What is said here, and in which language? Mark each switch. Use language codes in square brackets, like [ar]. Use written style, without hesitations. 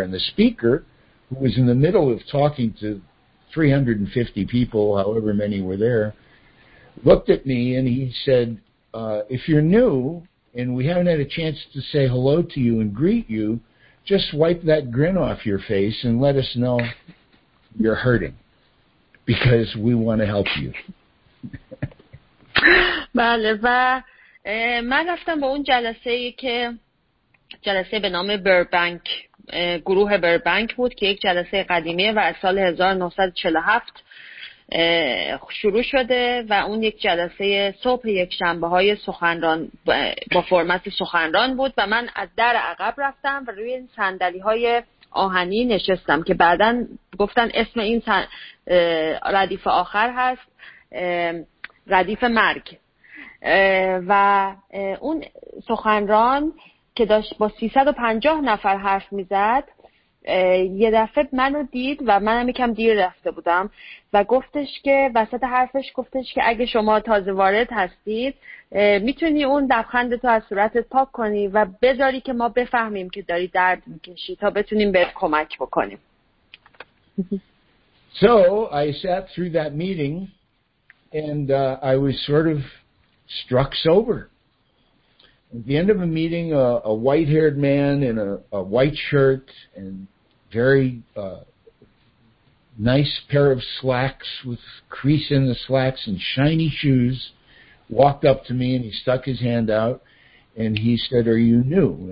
[en] And the speaker, who was in the middle of talking to 350 people, however many were there, looked at me, and he said, if you're new, and we haven't had a chance to say hello to you and greet you, just wipe that grin off your face and let us know you're hurting, because we want to help you. [fa] بله. و من رفتم به اون جلسه ای که جلسه به نام بربنک، گروه بربنک بود که یک جلسه قدیمی و از سال 1947 شروع شده و اون یک جلسه صبح یک شنبه های سخنران با فرمت سخنران بود و من از در عقب رفتم و روی صندلی های آهنی نشستم که بعدن گفتن اسم این ردیف آخر هست، ردیف مرگ. و اون سخنران که داشت با 350 نفر حرف میزد یه دفعه منو دید و منم یکم دیر رفته بودم و گفتش که وسط حرفش گفتش که اگه شما تازه وارد هستید میتونی اون لبخندتو از صورتت پاک کنی و بذاری که ما بفهمیم که داری درد میکشی تا بتونیم بهت کمک بکنیم. [en] So I sat through that meeting and I was sort of struck sober. At the end of a meeting, a white-haired man in a white shirt and very nice pair of slacks with crease in the slacks and shiny shoes walked up to me and he stuck his hand out and he said, are you new?